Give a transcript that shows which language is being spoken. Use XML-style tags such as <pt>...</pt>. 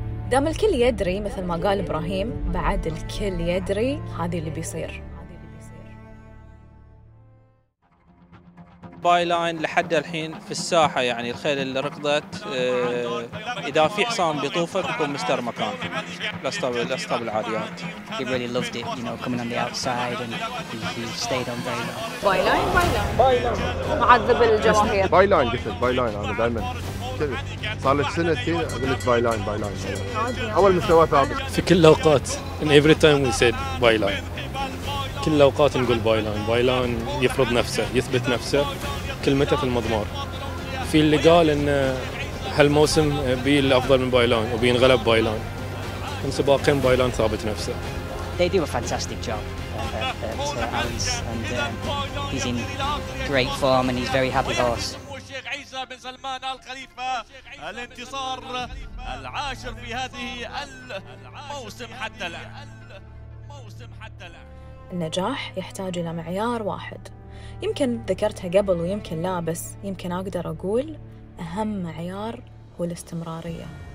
<ar>دام الكل يدري مثل ما قال إبراهيم بعد الكل يدري هذه اللي بيصير. باي لاين لحد الحين في الساحة يعني الخيل اللي ركضت إذا في حصان بيطوفك بيكون مستر مكان الأسطبل العاديات.</ar> <en>He really loved it, you know, coming on the outside and he stayed on</en> <ar>باي لاين. باي لاين. باي لاين. معذب الجماهير. باي لاين قلت باي لاين أنا دائما كذي صار لي سنتين قلت باي لاين باي لاين. أول مستوى ثابت. في كل الأوقات</ar> <en>in every time we said</en> <ar>باي لاين. كل الأوقات نقول بايلان بايلان يفرض نفسه يثبت نفسه كلمته في المضمار. في اللي قال إن هالموسم بي الأفضل من بايلان وبينغلب بايلان من سباقين بايلان ثابت نفسه.</ar> <en>They do a fantastic job and he's in great form and he's very happy horse.</en> <ar>الشيخ عيسى بن سلمان الخليفة الانتصار العاشر في هذه الموسم حتى الآن موسم حتى الآن. النجاح يحتاج إلى معيار واحد يمكن ذكرتها قبل ويمكن لا بس يمكن أقدر أقول أهم معيار هو الاستمرارية.</ar>